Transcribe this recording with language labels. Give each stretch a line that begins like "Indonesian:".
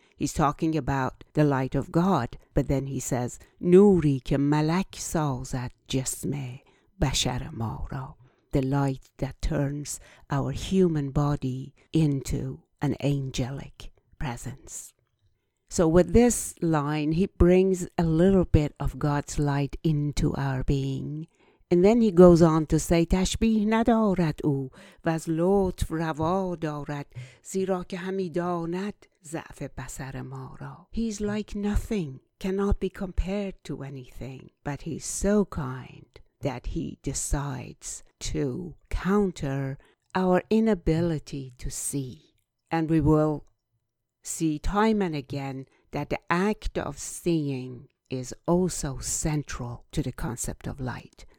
English: He's talking about the light of God, but then he says,
Persian: Nuri ke malak sazat jisme bashar ma ra,
English: the light that turns our human body into an angelic presence. So with this line, he brings a little bit of God's light into our being. And then he goes on to say,
Persian: تشبیه ندارد او و از لطف روا دارد زیرا که همی داند ضعف بصر ما را.
English: He's like nothing, cannot be compared to anything, but he's so kind that he decides to counter our inability to see. And we will see time and again that the act of seeing is also central to the concept of light.